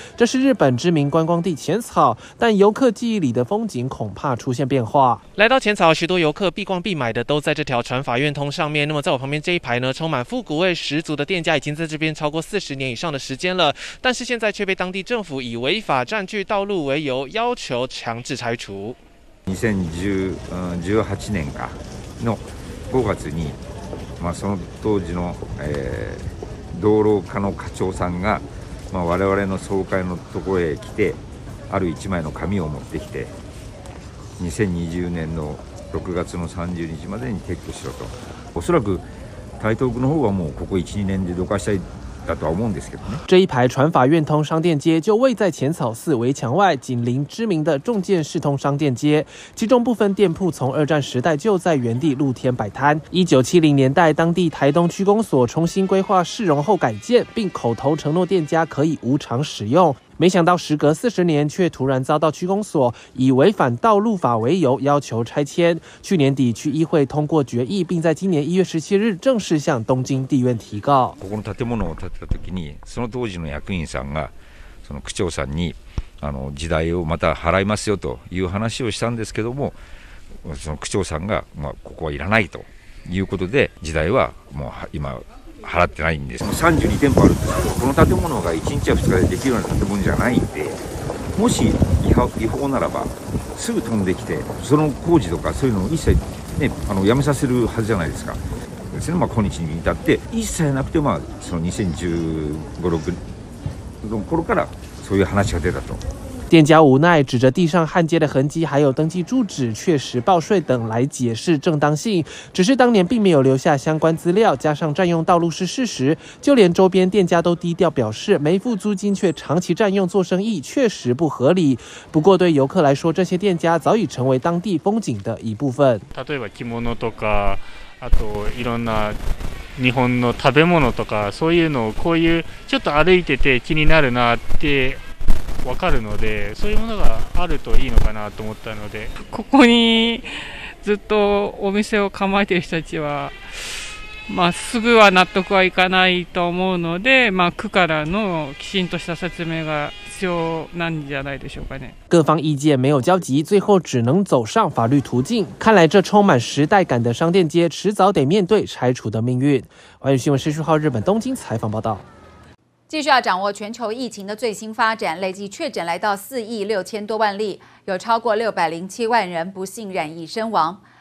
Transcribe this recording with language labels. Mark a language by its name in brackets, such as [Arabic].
[Chinese] 这是日本知名观光地浅草，但游客记忆里的风景恐怕出现变化。来到浅草，许多游客必逛必买的都在这条船法院通上面。那么在我旁边这一排呢，充满复古味十足的店家已经在这边超过40年以上的时间了，但是现在却被当地政府以违法占据道路为由要求强制拆除。 [Japanese] 2018年吧の5月に、まあ、その当時の、道路課の課長さんが、まあ、我々の総会のところへ来て、ある一枚の紙を持ってきて、2020年の6月の30日までに撤去しろと。おそらく台東区の方はもうここ 1,2 年でどかしたい。 [Chinese] 这一排船法院通商店街就位在浅草寺围墙外，紧邻知名的重建市通商店街。其中部分店铺从二战时代就在原地露天摆摊。 1970年代，当地台东区公所重新规划市容后改建，并口头承诺店家可以无偿使用。没想到时隔40年，却突然遭到区公所以违反道路法为由要求拆迁。去年底，区议会通过决议，并在今年1月17日正式向东京地院提告。 [Japanese] ここの建物を建てた時に、その当時の役員さんが、その区長さんに、あの時代をまた払いますよという話をしたんですけども、その区長さんが、まあここはいらないということで、時代はもう今。払ってないんです。 32店舗あるんですけど、この建物が1日や2日でできるような建物じゃないんで、もし違法ならば、すぐ飛んできて、その工事とかそういうのを一切、ね、あのやめさせるはずじゃないですか。ですね、まあ、今日に至って、一切なくて、まあ、その2015、6の頃からそういう話が出たと。 [Chinese] 店家无奈指着地上焊接的痕迹，还有登记住址、确实报税等来解释正当性，只是当年并没有留下相关资料，加上占用道路是事实，就连周边店家都低调表示没付租金却长期占用做生意，确实不合理。不过对游客来说，这些店家早已成为当地风景的一部分。 [Japanese] 例えば着物とか、あといろんな日本の食べ物とか、そういうのをこういうちょっと歩いてて気になるなって分かるので、そういうものがあるといいのかなと思ったので。ここにずっとお店を構えている人たちは、まあ、すぐは納得はいかないと思うので、まあ、区からのきちんとした説明が必要なんじゃないでしょうかね。 [Chinese] 各方意見没有交集，最后只能走上法律途径。看来这充满时代感的商店街，迟早得面对拆除的命运。环宇新闻施书浩日本东京采访报道。继续要掌握全球疫情的最新发展，累计确诊来到4亿6000多万例，有超过607万人不幸染疫身亡。